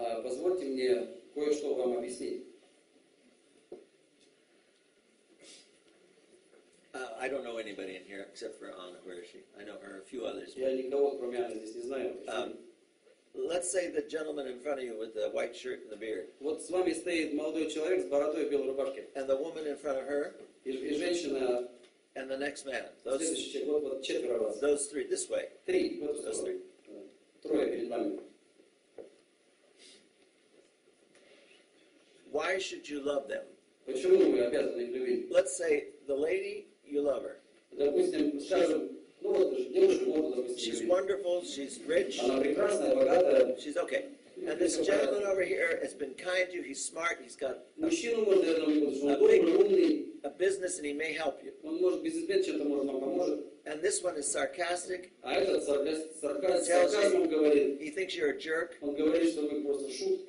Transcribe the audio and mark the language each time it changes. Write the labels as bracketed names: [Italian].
[Russian] Позвольте мне кое-что вам объяснить. [English] I don't know anybody in here except for Anna. Where is she? I know her, a few others. [Russian] Я никого кроме Анны здесь не знаю. [English] Let's say the gentleman in front of you with the white shirt and the beard. [Russian] Вот с вами стоит молодой человек с бородой и белой рубашкой. [English] And the woman in front of her. [Russian] И женщина. [English] And the next man. [Russian] Четверо вас. [English] Those three. This way. [Russian] Три. [English] Those three. [Russian] Трое перед вами. [English] Why should you love them? [Russian] Почему вы обязаны их любить? [English] Let's say the lady, you love her. [Russian] Допустим, скажем, ну вот девушку можно допустим. [English] She's wonderful. She's rich. [Russian] Она прекрасная, богатая. [English] She's okay. And this gentleman over here has been kind to you. He's smart. He's got [Russian] мужчину можно я думаю, что он умный, [English] a business, and he may help you. [Russian] Он может бизнес-менеджер, чем-то может нам поможет. [English] And this one is sarcastic. He thinks you're a jerk. [Russian] Он говорит, что вы просто шут.